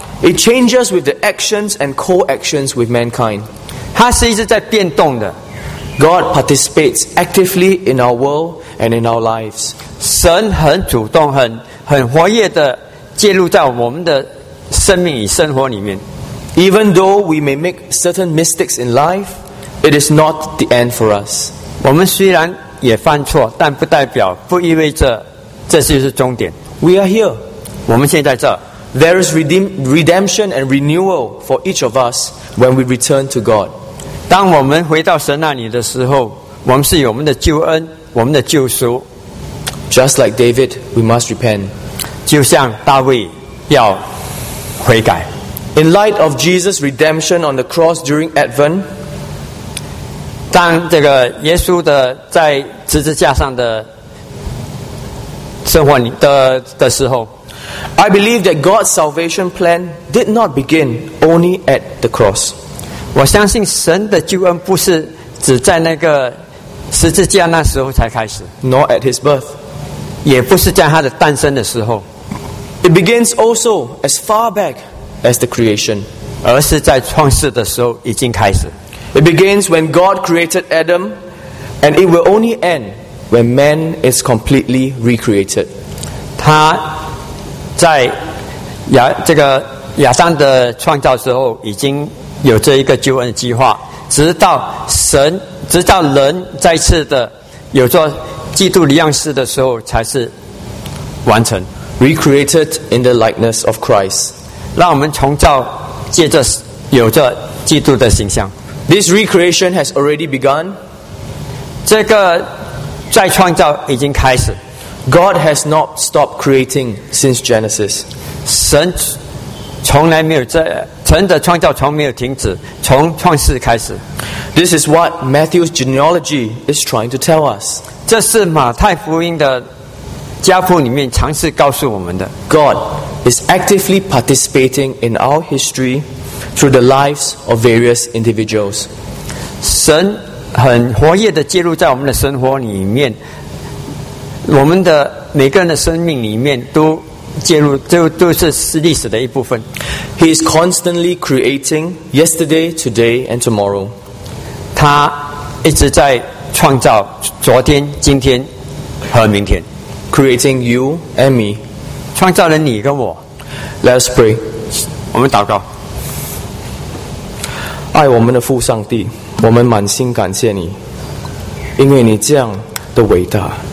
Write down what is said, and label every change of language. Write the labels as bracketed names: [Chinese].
[English] It changes with the actions and co-actions with mankind. [Chinese] 它是一直在变动的。 [English] God participates actively in our world and in our lives. [Chinese] 神很主动，很活跃的介入在我们的生命与生活里面。 [English] Even though we may make certain mistakes in life, it is not the end for us. [Chinese] 我们虽然也犯错，但不代表，不意味着这就是终点。 [English] We are here. [Chinese] 我们现在这。 [English] There is redemption and renewal for each of us when we return to God. [Chinese] 当我们回到神那里的时候，我们是有我们的救恩，我们的救赎。 [English] Just like David, we must repent. [Chinese] 就像大卫要悔改。 [English] In light of Jesus' redemption on the cross during Advent, [Chinese] 当这个耶稣的在十字架上的生活的时候， [English] I believe that God's salvation plan did not begin only at the cross. [Chinese] 我相信神的救恩不是只在那个十字架那时候才开始， [English] nor at his birth， [Chinese] 也不是在他的诞生的时候。 [English] It begins also as far back as the creation， [Chinese] 而是在创世的时候已经开始。 [English] It begins when God created Adam， and it will only end when man is completely recreated。 [Chinese] 他在这个亚当的创造之后已经有这一个救恩的计划，直到神，直到人再次的有做基督的样式的时候才是完成。 [English] Recreated in the likeness of Christ， [Chinese] 让我们重造借着有着基督的形象。 [English] This recreation has already begun， [Chinese] 这个再创造已经开始。 [English] God has not stopped creating since Genesis， [Chinese] 神从来没有在神的创造从没有停止，从创世开始。 [English] This is what Matthew's genealogy is trying to tell us. [Chinese] 这是马太福音的家谱里面尝试告诉我们的。 [English] God is actively participating in our history through the lives of various individuals. [Chinese] 神很活跃的介入在我们的生活里面，我们的每个人的生命里面都介入，都是历史的一部分。 [English] He is constantly creating yesterday, today, and tomorrow. [Chinese] 他一直在创造昨天、今天和明天。 [English] Creating you and me. [Chinese] 创造了你跟我。 [English] Let us pray. [Chinese] 我们祷告。爱我们的父上帝，我们满心感谢你，因为你这样的伟大。